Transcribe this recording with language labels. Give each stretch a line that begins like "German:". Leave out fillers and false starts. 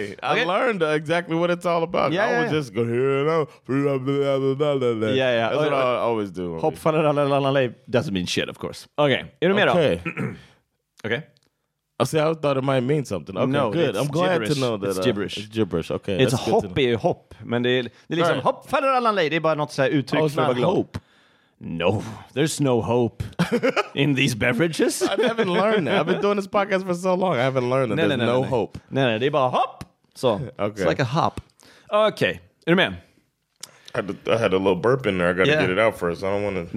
English: I learned exactly what it's all about. Yeah, I was just going here and now. Yeah, yeah. That's what I always do. Hop fan la la la la. Doesn't mean shit, of course.
Swedish: Okay. Är du med då? Okay.
English: I see, I thought it might mean something. Okay, no, good. I'm glad gibberish. To know that. It's gibberish. It's gibberish. Okay. It's
Swedish: hopp är hopp. Men det är liksom hopp faller alla lej. Det är bara något så här uttryck
English: oh,
Swedish: för att vara glad.
English: Hope. No, there's no hope in these beverages. I haven't learned that. I've been doing this podcast for so long. I haven't learned that
Swedish: nej,
English: there's
Swedish: nej,
English: no
Swedish: nej.
English: Hope.
Swedish: Nej, nej, det är bara hopp. Så,
English: okay. It's like a hop. Okay,
Swedish: är du med?
English: I had a little burp in there. I got to get it out first. I don't want to.